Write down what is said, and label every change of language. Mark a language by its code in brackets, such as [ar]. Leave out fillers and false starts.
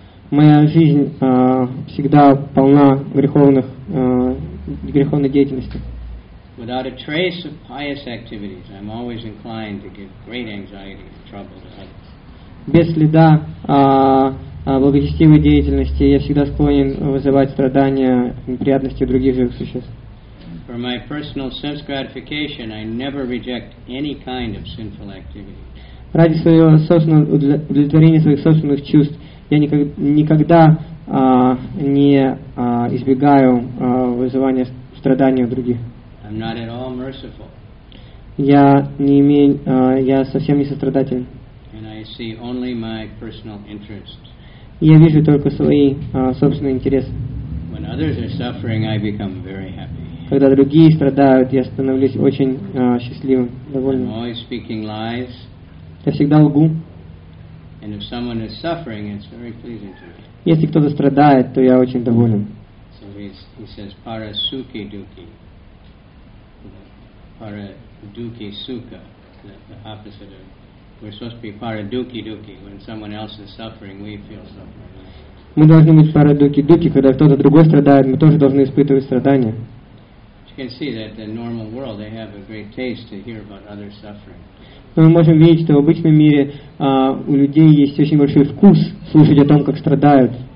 [ru] Моя жизнь всегда полна греховных греховной деятельности. [en] Without a trace of pious activities, I'm always inclined to give great anxiety and trouble to others. [ru] Без следа благочестивой деятельности я всегда склонен вызывать страдания и неприятности других живых существ. [en] For my personal sense gratification, I never reject any kind of sinful activity. [ru] Ради своего собственного удовлетворения своих собственных чувств я никогда избегаю вызывания страданий у других. [en] I'm not at all merciful. [ru] Я совсем не сострадателен. [en] And I see only my personal interest. [ru] Я вижу только свои собственные интересы. [en] When others are suffering, I become very happy. [ru] Когда другие страдают, я становлюсь очень счастливым, довольным. [en] I'm always speaking lies. [ru] Я всегда лгу. [en] And if someone is suffering, it's very pleasing to me. [ru] Если кто-то страдает, то я очень доволен. [en] So he says, [bn] para suki duki, para duki suka, [en] the opposite of. We're supposed to be para duki duki. When someone else is suffering, we feel suffering. [ru] Мы должны быть para duki duki, когда кто-то другой страдает, мы тоже должны испытывать страдания. [en] You can see that the normal world they have a great taste to hear about others suffering. [ru] Мы можем видеть, что в обычном мире у людей есть очень большой вкус слушать о том, как страдают.